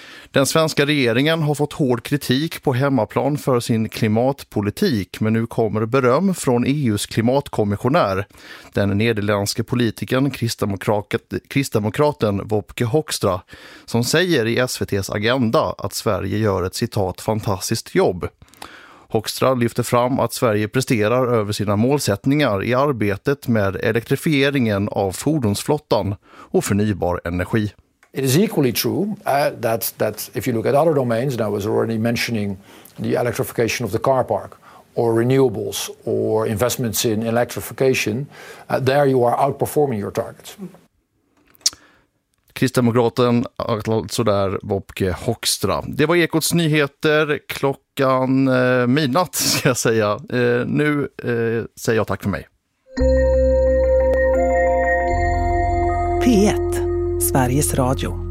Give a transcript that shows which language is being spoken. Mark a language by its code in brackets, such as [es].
[sv] Den svenska regeringen har fått hård kritik på hemmaplan för sin klimatpolitik, men nu kommer beröm från EUs klimatkommissionär, den nederländske politikern kristdemokraten Wopke Hoekstra, som säger i SVT:s Agenda att Sverige gör ett citat fantastiskt jobb. Hoekstra lyfter fram att Sverige presterar över sina målsättningar i arbetet med elektrifieringen av fordonsflottan och förnybar energi. [en] It is equally true that if you look at other domains, and I was already mentioning the electrification of the car park or renewables or investments in electrification, there you are outperforming your targets. [sv] Kristdemokraten, alltså där, Wopke Hoekstra. Det var Ekots nyheter klockan midnatt, ska jag säga. Nu säger jag tack för mig. P1, Sveriges Radio.